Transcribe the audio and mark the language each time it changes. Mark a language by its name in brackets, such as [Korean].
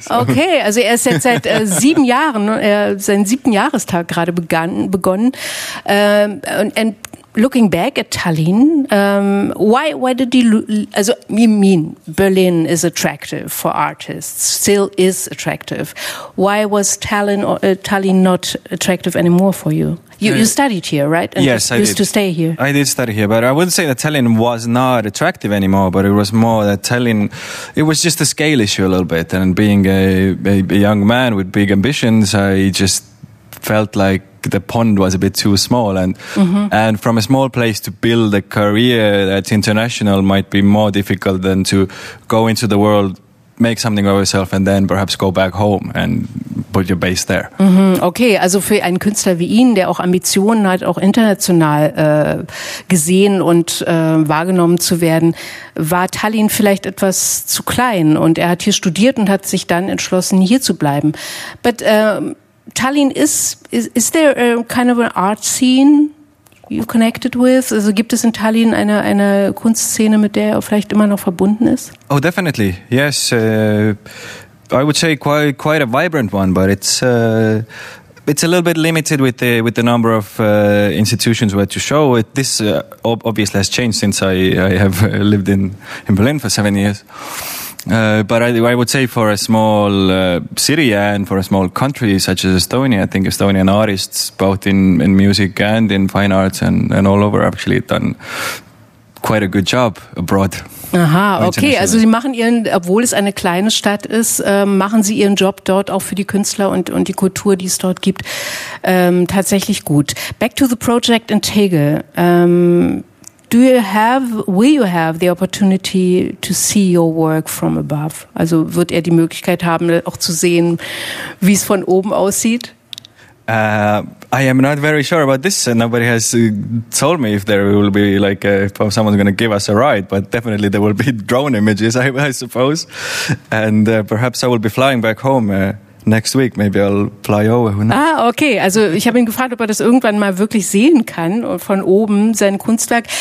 [German] Okay, also er ist jetzt seit 7 Jahren, seinen 7. Jahrestag gerade begonnen. [English] And looking back at Tallinn, why did you, also you mean Berlin is attractive for artists, still is attractive. Why was Tallinn not attractive anymore for you? You studied here, right? And yes, I used to stay here. I did study here, but I wouldn't say that Tallinn was not attractive anymore, but it was more that Tallinn, it was just a scale issue a little bit. And being a young man with big ambitions, I just felt like the pond was a bit too small, and and from a small place to build a career that's international might be more difficult than to go into the world, make something of yourself, and then perhaps go back home and put your base there. Mm-hmm. [German] Okay, also für einen Künstler wie ihn, der auch Ambitionen hat, auch international gesehen und wahrgenommen zu werden, war Tallinn vielleicht etwas zu klein, und er hat hier studiert und hat sich dann entschlossen, hier zu bleiben. [English] But Tallinn is there a kind of an art scene you connected with? [German] Also gibt es in Tallinn eine Kunstszene, mit der er vielleicht immer noch verbunden ist? [English] Oh, definitely, yes. I would say quite a vibrant one, but it's a little bit limited with the number of institutions where to show it. This obviously has changed since I have lived in Berlin for 7 years. But I would say for a small city and for a small country such as Estonia, I think Estonian artists, both in music and in fine arts and all over, actually done quite a good job abroad. Aha, okay. [German] Also sie machen ihren, obwohl es eine kleine Stadt ist, machen sie ihren Job dort auch für die Künstler und die Kultur, die es dort gibt, tatsächlich gut. [English] Back to the project in Tegel. Will you have the opportunity to see your work from above? [German] Also wird er die Möglichkeit haben, auch zu sehen, wie es von oben aussieht? [English] I am not very sure about this. Nobody has told me if there will be like if someone's going to give us a ride, but definitely there will be drone images, I suppose. And perhaps I will be flying back home next week. Maybe I'll fly over. Ah, okay. [German] Also ich habe ihn gefragt, ob er das irgendwann mal wirklich sehen kann von oben, sein Kunstwerk.